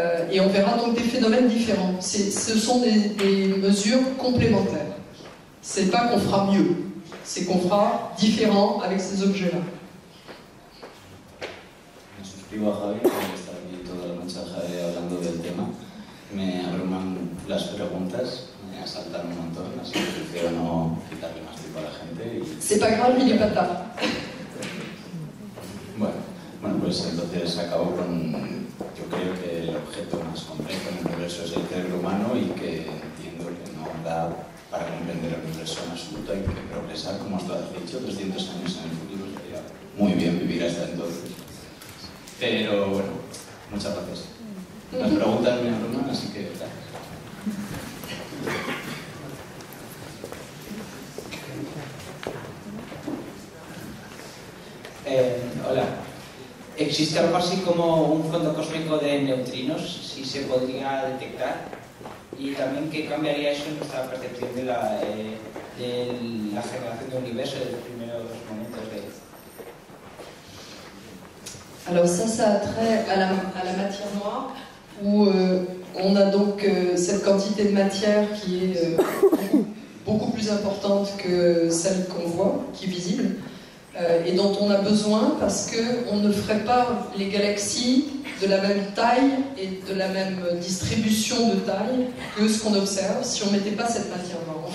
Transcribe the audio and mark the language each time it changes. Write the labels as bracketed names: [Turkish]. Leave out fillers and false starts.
[French] Et on verra donc des phénomènes différents. Ce sont des mesures complémentaires. Ce n'est pas qu'on fera mieux, c'est qu'on fera différent avec ces objets-là. Je suis à Javi, qui est ici toute la nuit à Javi, parlant du thème. [Spanish] Me abruman les questions. Saltar un montón, así que prefiero no quitarle más tiempo a la gente. [French] C'est pas grave, il est pas tard. [Spanish] Bueno, pues entonces acabo con. Yo creo que el objeto más complejo en el universo es el cerebro humano y que entiendo que no da para comprender el universo en absoluto. Hay que progresar, como tú has dicho, 200 años en el futuro sería muy bien vivir hasta entonces. Pero bueno, muchas gracias. Las preguntas me abruman, así que gracias. Hola, ¿existe algo así como un fondo cósmico de neutrinos? Si se podría detectar, y también qué cambiaría eso en nuestra percepción de la generación del universo de los primeros momentos de. [French] Alors, ça a trait à la matière noire, où on a donc cette quantité de matière qui est beaucoup plus importante que celle qu'on voit, qui est visible. Et dont on a besoin parce qu'on ne ferait pas les galaxies de la même taille et de la même distribution de taille que ce qu'on observe si on ne mettait pas cette matière noire.